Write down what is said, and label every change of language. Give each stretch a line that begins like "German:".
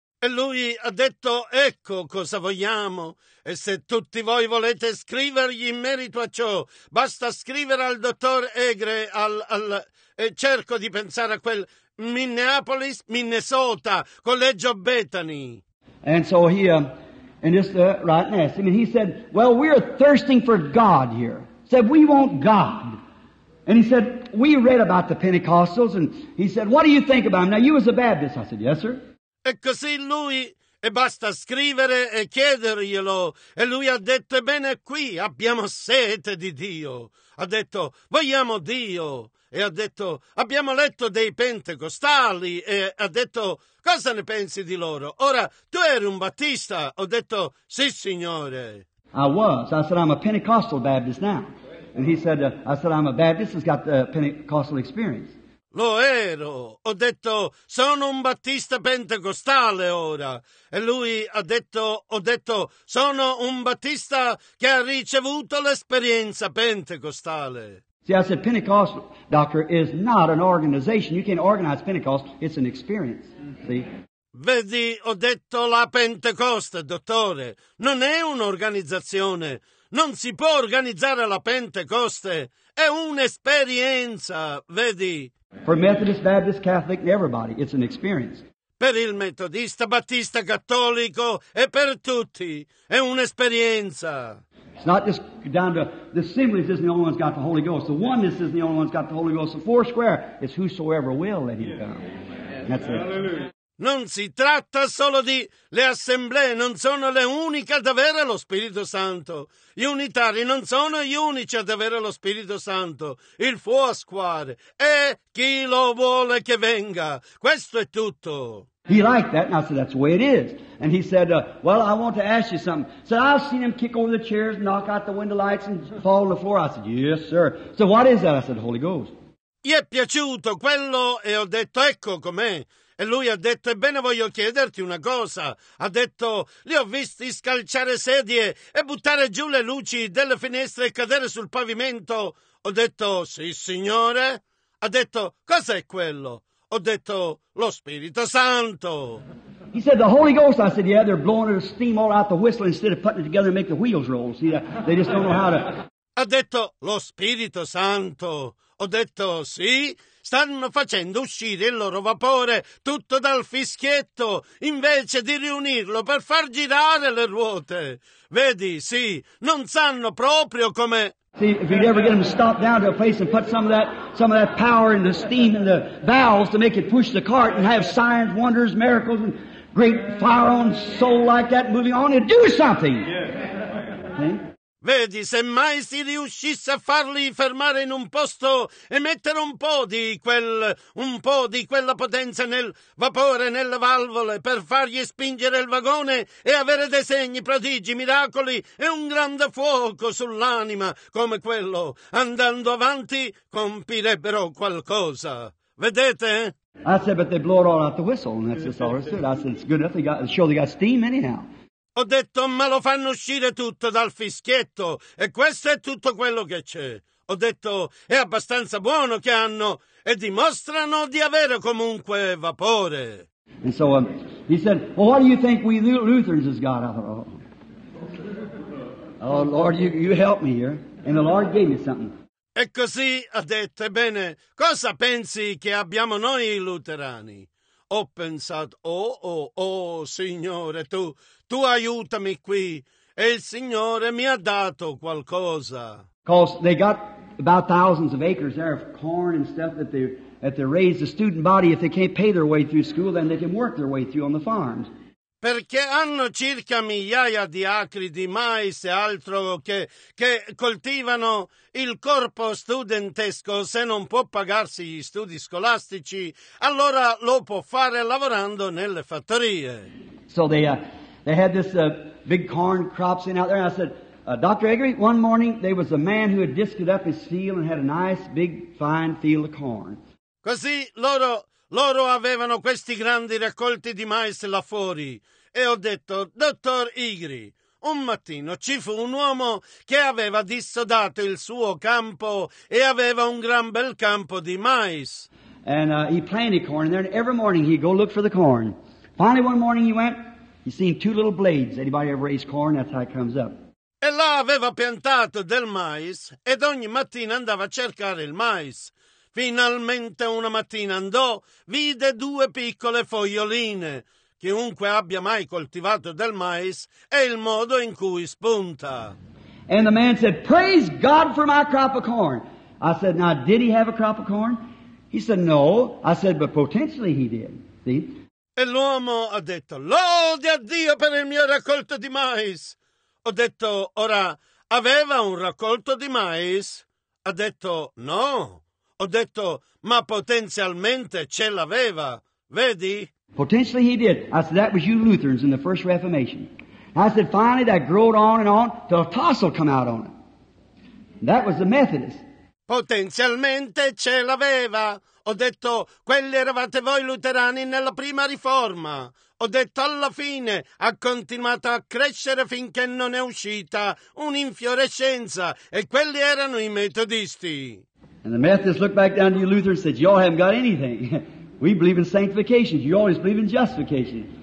Italian: E lui ha detto, ecco cosa vogliamo, e se tutti voi volete scrivergli in merito a ciò, basta scrivere al dottor Egre, e cerco di pensare a quel Minneapolis, Minnesota, Collegio Bethany.
English: And so he, and just right and asked him, and he said, well, we're thirsting for God here. Said, we want God. And he said, we read about the Pentecostals, and he said, what do you think about them? Now, you was a Baptist. I said, yes, sir.
Italian: E così lui, e basta scrivere e chiederglielo, e lui ha detto, ebbene qui abbiamo sete di Dio, ha detto, vogliamo Dio, e ha detto, abbiamo letto dei pentecostali, e ha detto, cosa ne pensi di loro? Ora, tu eri un battista, ho detto, sì signore.
English: I was, I said, I'm a Pentecostal Baptist now, and he said, I said, I'm a Baptist, he's got the Pentecostal experience.
Italian: Lo ero. Ho detto, sono un battista pentecostale ora. E lui ha detto, ho detto, sono un battista che ha ricevuto l'esperienza pentecostale.
English: See, I said, Pentecost, doctor, is not an organization. You can't organize Pentecost. It's an experience. See?
Italian: Vedi, ho detto, la Pentecoste, dottore, non è un'organizzazione. Non si può organizzare la Pentecoste. È un'esperienza, vedi?
English: For Methodist, Baptist, Catholic, and everybody, it's an experience.
Italian: Per il metodista, battista, cattolico, e per tutti, è un'esperienza.
English: It's not just down to the assemblies isn't the only one's got the Holy Ghost. The oneness isn't the only one's got the Holy Ghost. The four square, it's whosoever will let him come. That's it.
Italian: Non si tratta solo di le assemblee, non sono le uniche ad avere lo Spirito Santo. Gli unitari non sono gli unici ad avere lo Spirito Santo. Il four square è chi lo vuole che venga. Questo è tutto.
English: He liked that, and I said, that's the way it is. And he said, well, I want to ask you something. So I've seen him kick over the chairs, knock out the window lights, and fall on the floor. I said, yes, sir. So what is that? I said, Holy Ghost.
Italian: Gli è piaciuto quello, e ho detto, ecco com'è. E lui ha detto, ebbene voglio chiederti una cosa. Ha detto, li ho visti scalciare sedie e buttare giù le luci delle finestre e cadere sul pavimento. Ho detto, sì signore. Ha detto, cos'è quello? Ho detto, lo Spirito Santo.
English: He said, the Holy Ghost. I said, yeah, they're blowing the steam all out the whistle instead of putting it together and make the wheels roll. See, they just don't know how to...
Italian: Ha detto, lo Spirito Santo. Ho detto, sì. Stanno facendo uscire il loro vapore tutto dal fischietto invece di riunirlo per far girare le ruote. Vedi, sì, non sanno proprio come.
English: See, if you'd ever get them to stop down to a place and put some of that power in the steam in the valves to make it push the cart and have signs, wonders, miracles, and great fire on soul like that moving on, it'd do something. Yeah. Okay?
Italian: Vedi, se mai si riuscisse a farli fermare in un posto e mettere un po' di quella potenza nel vapore, nelle valvole, per fargli spingere il vagone e avere dei segni, prodigi, miracoli e un grande fuoco sull'anima come quello, andando avanti compirebbero qualcosa. Vedete?
English: I said, but they blow it all out the whistle, and that's just all it's good. I said, it's good enough. They got steam anyhow.
Italian: Ho detto, ma lo fanno uscire tutto dal fischietto, e questo è tutto quello che c'è. Ho detto, è abbastanza buono che hanno, e dimostrano di avere comunque vapore.
English: And so he said, well, what do you think we Lutherans has got? I thought, oh Lord, you help me here. And the Lord gave me something.
Italian: E così ha detto, ebbene, cosa pensi che abbiamo noi luterani? Ho pensato, oh, Signore, tu aiutami qui. E il Signore mi ha dato qualcosa.
English: Because they got about thousands of acres there of corn and stuff that they raise the student body. If they can't pay their way through school, then they can work their way through on the farms.
Italian: Perché hanno circa migliaia di acri di mais e altro che coltivano il corpo studentesco. Se non può pagarsi gli studi scolastici, allora lo può fare lavorando nelle fattorie.
English: So they had this big corn crops in out there, and I said, Dr. Eggery, one morning there was a man who had disked up his field and had a nice big fine field of corn.
Italian: Così loro avevano questi grandi raccolti di mais là fuori. E ho detto, dottor Eggery, un mattino ci fu un uomo che aveva dissodato il suo campo e aveva un gran bel campo di mais.
English: And he planted corn there, and every morning he'd go look for the corn. Finally one morning he went, he seen two little blades. Anybody ever raised corn, that's how it comes up.
Italian: E là aveva piantato del mais ed ogni mattina andava a cercare il mais. Finalmente una mattina andò, vide due piccole foglioline. Chiunque abbia mai coltivato del mais è il modo in cui spunta.
English: And the man said, praise God for my crop of corn. I said, now did he have a crop of corn? He said, no. I said, but potentially he did. See?
Italian: E l'uomo ha detto, lodi a Dio per il mio raccolto di mais. Ho detto, ora aveva un raccolto di mais? Ha detto, no. Ho detto, ma potenzialmente ce l'aveva, vedi?
English: Potentially he did. I said, that was you Lutherans in the first Reformation. I said, finally that growed on and on till a tassel come out on it. That was the Methodist.
Italian: Potenzialmente ce l'aveva. Ho detto, quelli eravate voi luterani nella prima riforma. Ho detto, alla fine ha continuato a crescere finché non è uscita un'infiorescenza. E quelli erano i metodisti.
English: And the Methodists looked back down to you Luther and said, you all haven't got anything. We believe in sanctification. You always believe in justification.